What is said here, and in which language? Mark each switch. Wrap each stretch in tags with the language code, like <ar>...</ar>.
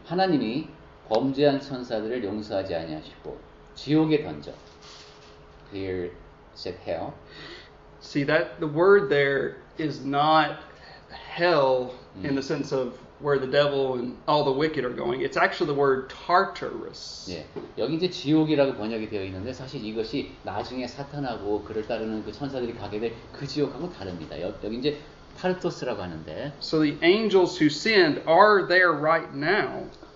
<ko>하나님이 범죄한 천사들을 용서하지 아니하시고 지옥에 던져.</ko> <en>Here said hell. See that the word there is not hell in the sense of where the devil and all the wicked are going. It's actually the word Tartarus.</en> <ko>예, 여기 이제 지옥이라고 번역이 되어 있는데 사실 이것이 나중에 사탄하고 그를 따르는 그 천사들이 가게 될 그 지옥하고 다릅니다. 여기 이제 타르토스라고 하는데.</ko> <en>So the angels who sinned are there right now.</en>